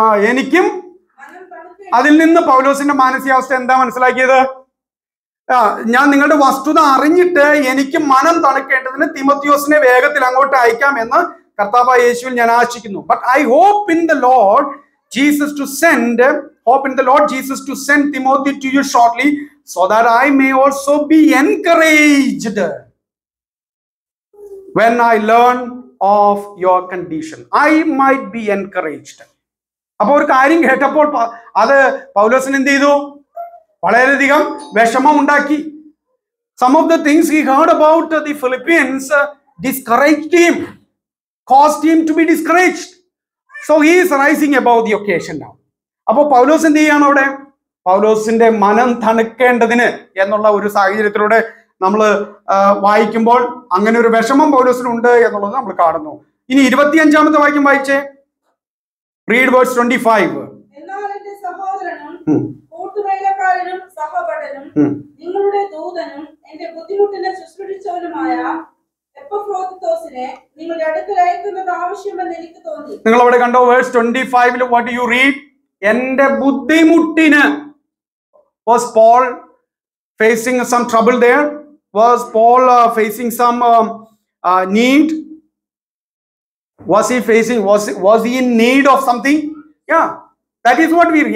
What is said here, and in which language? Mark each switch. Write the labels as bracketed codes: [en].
[ml] എനിക്കും അതിൽ നിന്ന് പൗലോസിന്റെ മാനസികാവസ്ഥ എന്താ മനസ്സിലാക്കിയത്? ഞാൻ നിങ്ങളുടെ വസ്തുത അറിഞ്ഞിട്ട് എനിക്ക് മനം തണുക്കേണ്ടതിന് തിമത്യോസിനെ വേഗത്തിൽ അങ്ങോട്ട് അയക്കാം എന്ന് കർത്താവായ യേശുവിൽ ഞാൻ ആശിക്കുന്നു. [en] But I hope in the Lord Jesus to send, hope in the Lord Jesus to send Timothy to you shortly, so that I may also be encouraged when I learn of your condition. I might be encouraged. [ml] അപ്പോൾ ഒരു കാര്യം കേട്ടപ്പോൾ അത് പൗലോസൻ എന്ത് ചെയ്തു? വളരെയധികം വിഷമം ഉണ്ടാക്കി. [en] Some of the things he heard about the Philippians discouraged him, caused him to be discouraged. So he is rising above the occasion now. [ml] അപ്പോൾ പൗലോസ് എന്ത് ചെയ്യുകയാണ് അവിടെ? പൗലോസിന്റെ മനം തണുക്കേണ്ടതിന് എന്നുള്ള ഒരു സാഹചര്യത്തിലൂടെ നമ്മൾ വായിക്കുമ്പോൾ അങ്ങനെ ഒരു വിഷമം പൗലോസിനുണ്ട് എന്നുള്ളത് നമ്മൾ കാണുന്നു. ഇനി 25-ാമത്തെ വാക്യം വായിച്ചേ. [en] Read verse 25. [ml] എന്നാൽ എൻ്റെ സഹോദരനും കൂട്ടുവേലക്കാരനും സഹപഠനനും നിങ്ങളുടെ ദൂതനും എൻ്റെ ബുദ്ധിമുട്ടിനെ ശുശ്രൂഷിച്ചവനുമായ എപ്പഫ്രോദിത്തോസിനെ നിങ്ങളുടെ അടുത്ത് അയക്കുന്നത് ആവശ്യമെന്ന് എനിക്ക് തോന്നി. നിങ്ങൾ അവിടെ കണ്ടോ verse 25, [en] what do you read? [ml] എൻ്റെ ബുദ്ധിമുട്ടിന്. [en] Was Paul facing some trouble there? Was Paul facing some need? Was he in need of something? Yeah, that is what we read.